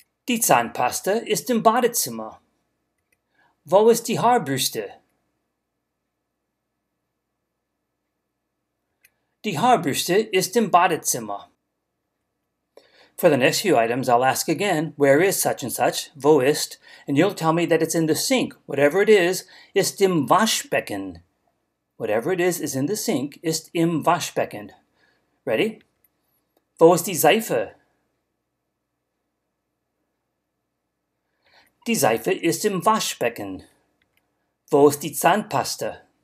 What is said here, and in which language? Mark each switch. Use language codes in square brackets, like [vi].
[de] Die Zahnpasta ist im Badezimmer. Wo ist die Haarbürste? Die Haarbürste ist im Badezimmer. [en] For the next few items, I'll ask again, where is such and such, wo ist, and you'll tell me that it's in the sink. Whatever it [de] ist im Waschbecken. [en] Whatever it is in the sink, [de] ist im Waschbecken. [en] Ready? [de] Wo ist die Seife? Die Seife ist im Waschbecken. Wo ist die Zahnpasta?